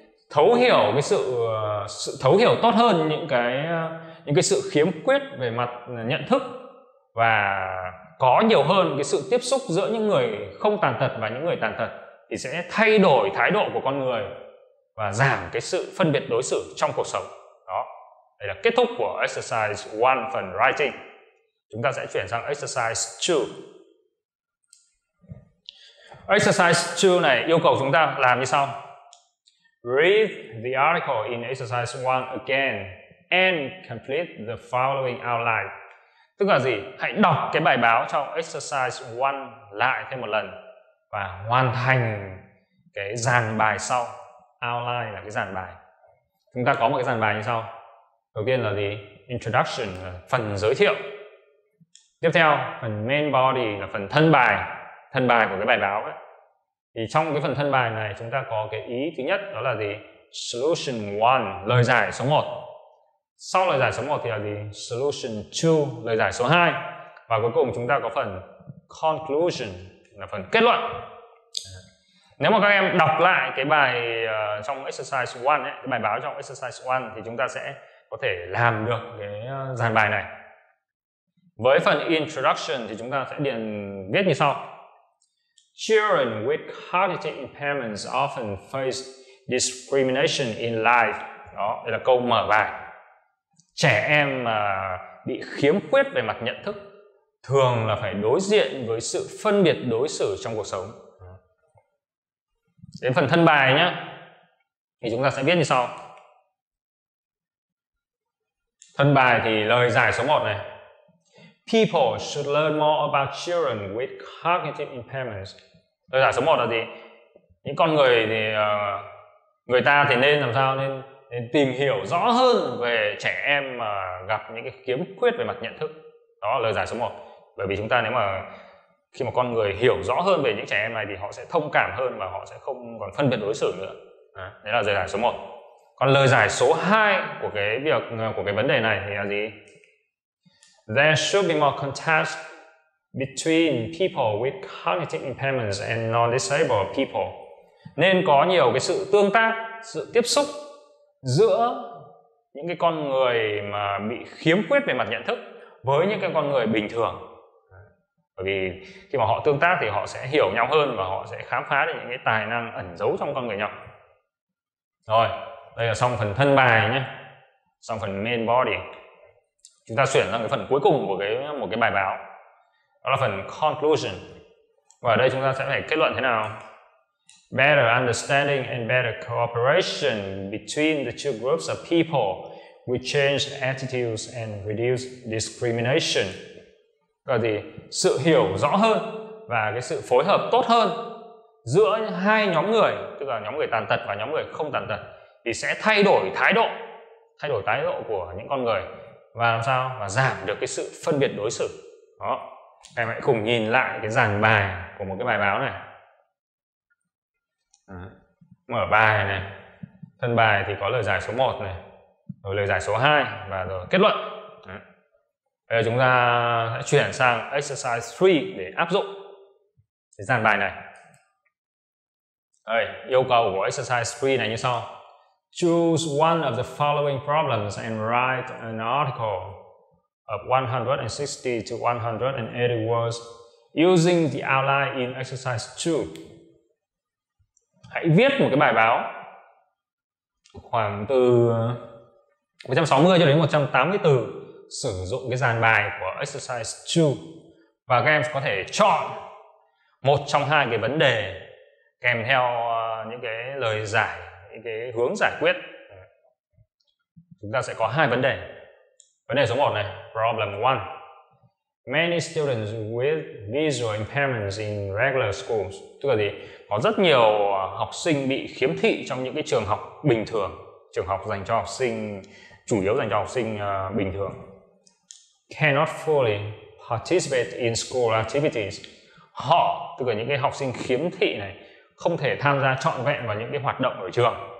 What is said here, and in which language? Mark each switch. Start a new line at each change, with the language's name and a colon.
Vietnamese: Thấu hiểu cái sự thấu hiểu tốt hơn những cái sự khiếm khuyết về mặt nhận thức và có nhiều hơn cái sự tiếp xúc giữa những người không tàn tật và những người tàn tật thì sẽ thay đổi thái độ của con người và giảm cái sự phân biệt đối xử trong cuộc sống. Đó. Đây là kết thúc của exercise 1 phần writing. Chúng ta sẽ chuyển sang exercise 2. Exercise 2 này yêu cầu chúng ta làm như sau.
English: Read the article in exercise 1 again and complete the following outline.
Vietnamese: Tức là gì? Hãy đọc cái bài báo trong exercise 1 lại thêm một lần và hoàn thành cái dàn bài sau. Outline là cái dàn bài. Chúng ta có một cái dàn bài như sau. Đầu tiên là gì? Introduction là phần giới thiệu. Tiếp theo, phần main body là phần thân bài. Thân bài của cái bài báo ấy. Thì trong cái phần thân bài này chúng ta có cái ý thứ nhất đó là gì? Solution 1, lời giải số 1. Sau lời giải số 1 thì là gì? Solution 2, lời giải số 2. Và cuối cùng chúng ta có phần conclusion là phần kết luận. Nếu mà các em đọc lại cái bài trong exercise 1 ấy, cái bài báo trong exercise 1 thì chúng ta sẽ có thể làm được cái dàn bài này. Với phần introduction thì chúng ta sẽ điền viết như sau.
English: Children with cognitive impairments often face discrimination in life.
Vietnamese: Đó, đây là câu mở bài. Trẻ em mà bị khiếm khuyết về mặt nhận thức thường là phải đối diện với sự phân biệt đối xử trong cuộc sống. Đến phần thân bài nhé, thì chúng ta sẽ viết như sau. Thân bài thì lời giải số 1 này.
English: People should learn more about children with cognitive impairments.
Vietnamese: Lời giải số 1 là gì? Những con người thì người ta thì nên làm sao? Nên tìm hiểu rõ hơn về trẻ em mà gặp những cái khiếm khuyết về mặt nhận thức. Đó là lời giải số 1. Bởi vì chúng ta nếu mà khi mà con người hiểu rõ hơn về những trẻ em này thì họ sẽ thông cảm hơn và họ sẽ không còn phân biệt đối xử nữa. Đấy là lời giải số 1. Còn lời giải số 2 của cái việc của cái vấn đề này thì là gì?
English: There should be more contrast between people with cognitive impairments and non-disabled people.
Vietnamese: Nên có nhiều cái sự tương tác, sự tiếp xúc giữa những cái con người mà bị khiếm khuyết về mặt nhận thức với những cái con người bình thường. Bởi vì khi mà họ tương tác thì họ sẽ hiểu nhau hơn và họ sẽ khám phá được những cái tài năng ẩn giấu trong con người nhau. Rồi, đây là xong phần thân bài nhé. Xong phần main body. Chúng ta chuyển sang cái phần cuối cùng của một cái bài báo. Đó là phần conclusion. Và ở đây chúng ta sẽ phải kết luận thế nào?
English: Better understanding and better cooperation between the two groups of people will change attitudes and reduce discrimination.
Vietnamese: Đó là gì? Sự hiểu rõ hơn và cái sự phối hợp tốt hơn giữa hai nhóm người, tức là nhóm người tàn tật và nhóm người không tàn tật thì sẽ thay đổi thái độ của những con người và làm sao và giảm được cái sự phân biệt đối xử. Đó. Em hãy cùng nhìn lại cái dàn bài của một cái bài báo này. Mở bài này. Thân bài thì có lời giải số 1 này, rồi lời giải số 2 và rồi kết luận. Bây giờ chúng ta sẽ chuyển sang exercise 3 để áp dụng cái dàn bài này. Đây, yêu cầu của exercise 3 này như sau.
English: Choose one of the following problems and write an article of 160 to 180 words using the outline in exercise 2.
Vietnamese: Hãy viết một cái bài báo khoảng từ 160 cho đến 180 từ sử dụng cái dàn bài của exercise 2. Và các em có thể chọn một trong hai cái vấn đề kèm theo những cái lời giải, những cái hướng giải quyết. Chúng ta sẽ có hai vấn đề. Vấn đề số 1 này, problem 1.
English: Many students with visual impairments in regular schools.
Vietnamese: Tức là gì? Có rất nhiều học sinh bị khiếm thị trong những cái trường học bình thường, trường học dành cho học sinh, chủ yếu dành cho học sinh bình thường.
English: Cannot fully participate in school activities.
Vietnamese: Họ, tức là những cái học sinh khiếm thị này, không thể tham gia trọn vẹn vào những cái hoạt động ở trường.